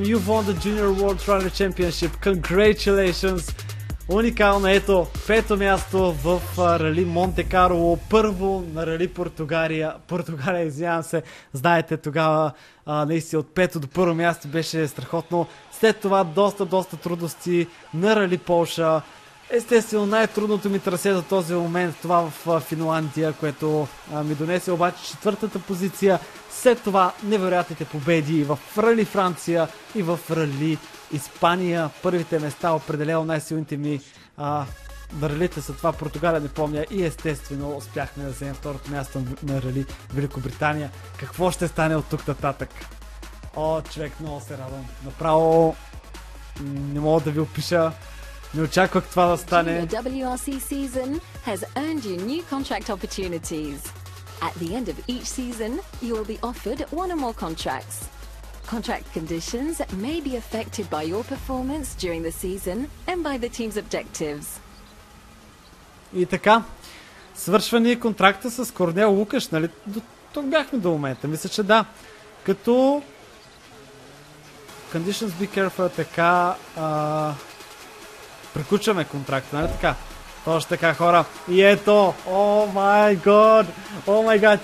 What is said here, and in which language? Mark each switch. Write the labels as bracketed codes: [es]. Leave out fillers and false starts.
[en] You won the Junior World Runner Championship. Congratulations! [bg] Уникално, ето, пето място в рали Монте Карло. Първо на рали Португалия. Португалия, извинявам се. Знаете, тогава наистина от пето до първо място беше страхотно. След това доста трудности на рали Полша. Естествено, най-трудното ми трасе за този момент, това в Финландия, което ми донесе обаче четвъртата позиция. След това невероятните победи в Рали Франция и в Рали Испания. Първите места определено най-силните ми ралите са това. Португалия не помня и естествено успяхме да вземем второто място на Рали Великобритания. Какво ще стане от тук нататък? О, човек, много се радвам. Направо не мога да ви опиша. Не очаквах това да стане. [en] WRC season has earned you new contract opportunities. At the end of each season, you will be offered one or more contracts. Contract conditions may be affected by your performance during the season and by the team's objectives. [bg] И така, свършва ни контракта с Корнел Лукаш, нали? Тук бяхме до момента. Мисля, че да. Като [en] conditions be careful, [bg] така приключваме контракта, нали така? Точно така, хора. И ето! [en] О май гад! О май гад!